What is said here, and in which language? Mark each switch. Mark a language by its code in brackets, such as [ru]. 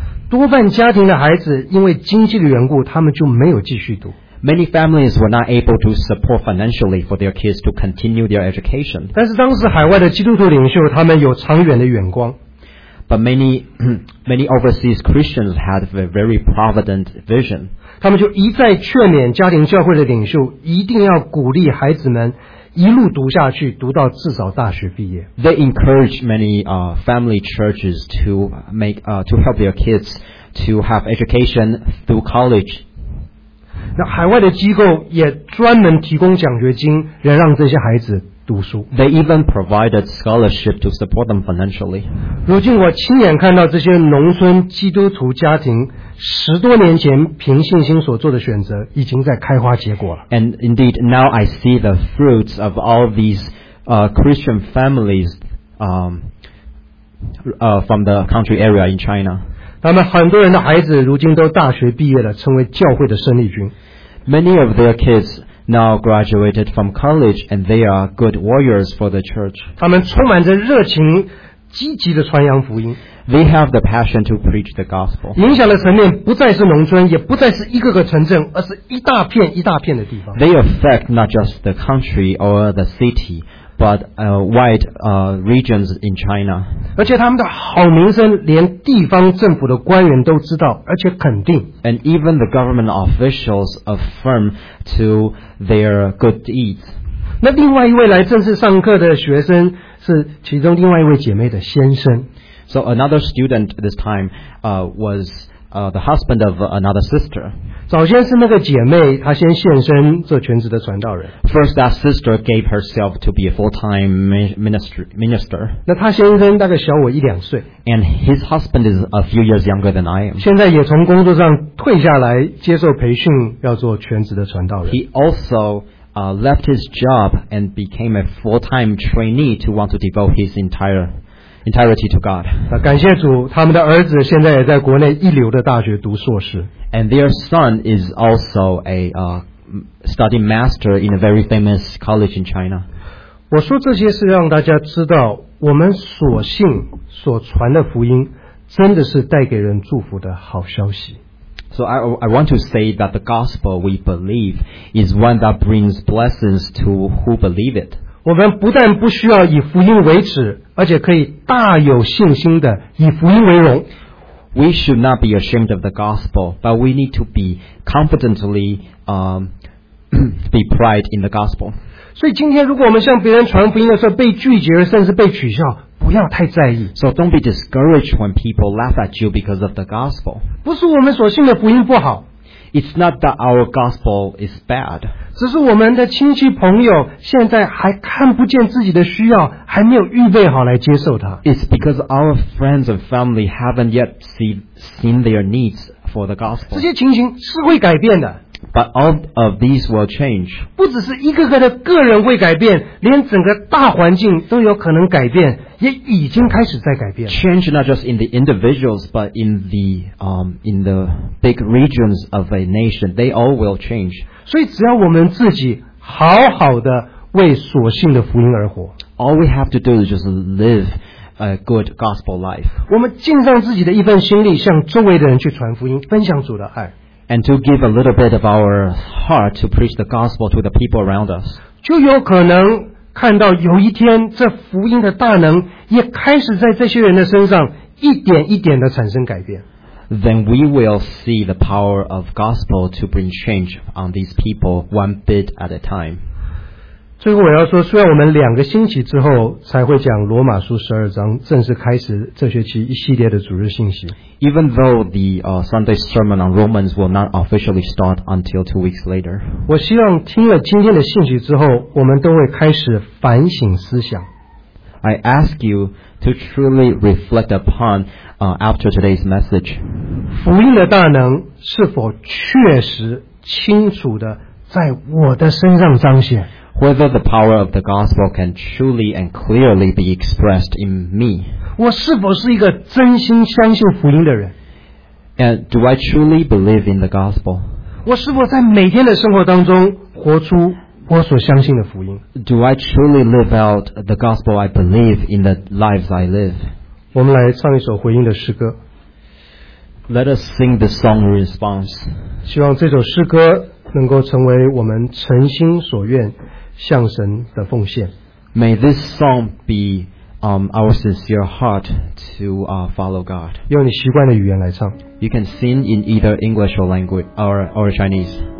[zh] 多半家庭的孩子因为经济的缘故，他们就没有继续读。 [en] Many families were not able to support financially for their kids to continue their education. [zh] 但是当时海外的基督徒领袖他们有长远的眼光。 [en] But many overseas Christians had a very provident vision. [zh] 他们就一再劝勉家庭教会的领袖一定要鼓励孩子们一路读下去，读到至少大学毕业。 [en] They encouraged many family churches to make to help their kids to have education through college. [zh] 那海外的机构也专门提供奖学金来让这些孩子读书。 [en] They even provided scholarship to support them financially. [zh] 如今我亲眼看到这些农村基督徒家庭十多年前凭信心所做的选择已经在开花结果了。 [en] And indeed, now I see the fruits of all these Christian families from the country area in China. [zh] 他们很多人的孩子如今都大学毕业了，成为教会的生力军。 [en] Many of their kids now graduated from college, and they are good warriors for the church. [zh] 他们充满着热情，积极地传扬福音。 [en] They have the passion to preach the gospel. [zh] 影响的层面不再是农村，也不再是一个个城镇，而是一大片一大片的地方。 [en] They affect not just the country or the city. But wide regions in China. [zh] 而且他们的好名声连地方政府的官员都知道，而且肯定。 [en] And even the government officials affirm to their good deeds. [zh] 那另外一位来正式上课的学生是其中另外一位姐妹的先生。 [en] So another student this time was the husband of another sister. [zh] 早先是那个姐妹，她先现身做全职的传道人。 [en] First, that sister gave herself to be a full-time minister. [zh] 那她先生大概小我一两岁。 [en] And his husband is a few years younger than I am. [zh] 现在也从工作上退下来，接受培训，要做全职的传道人。 [en] He also left his job and became a full-time trainee to want to devote his entirety to God. [zh] 感谢主，他们的儿子现在也在国内一流的大学读硕士。 [en] And their son is also a study master in a very famous college in China. [zh] 我说这些是让大家知道，我们所信所传的福音真的是带给人祝福的好消息。 [en] So I want to say that the gospel we believe is one that brings blessings to who believe it. [zh] 我们不但不需要以福音为耻，而且可以大有信心的以福音为荣。 [en] We should not be ashamed of the gospel, but we need to be confidently be pride in the gospel. [zh] 所以今天如果我们向别人传福音的时候被拒绝，甚至被取笑，不要太在意。 [en] So don't be discouraged when people laugh at you because of the gospel. [zh] 不是我们所信的福音不好。 [en] It's not that our gospel is bad. [zh] 只是我们的亲戚朋友现在还看不见自己的需要，还没有预备好来接受它。 [en] It's because our friends and family haven't yet seen their needs for the gospel. [zh] 这些情形是会改变的。 [en] But all of these will change. [zh] 不只是一个个的个人会改变，连整个大环境都有可能改变，也已经开始在改变。 [en] Change not just in the individuals, but in the big regions of a nation, they all will change. [zh] 所以只要我们自己好好的为所信的福音而活。 [en] All we have to do is just live a good gospel life. [zh] 我们尽上自己的一份心力，向周围的人去传福音，分享主的爱。 [en] And to give a little bit of our heart to preach the gospel to the people around us. [zh] 就有可能看到有一天这福音的大能也开始在这些人的身上一点一点的产生改变。 [en] Then we will see the power of gospel to bring change on these people one bit at a time. [zh] 最后我要说，虽然我们两个星期之后才会讲罗马书十二章，正式开始这学期一系列的主日信息。 [en] Even though the Sunday sermon on Romans will not officially start until 2 weeks later. [zh] 我希望听了今天的信息之后，我们都会开始反省思想。 [en] I ask you to truly reflect upon after today's message. [zh] 福音的大能是否确实清楚地在我的身上彰显？ [en] Whether the power of the gospel can truly and clearly be expressed in me. [zh] 我是否是一个真心相信福音的人？ [en] And do I truly believe in the gospel? [zh] 我是否在每天的生活当中活出我所相信的福音？ [en] Do I truly live out the gospel I believe in the lives I live? [zh] 我们来唱一首回应的诗歌。 [en] Let us sing the song in response. [zh] 希望这首诗歌能够成为我们诚心所愿向神的奉献。 [en] May this song be our sincere heart to follow God. [zh] 用你习惯的语言来唱。 [en] You can sing in either English or language or Chinese.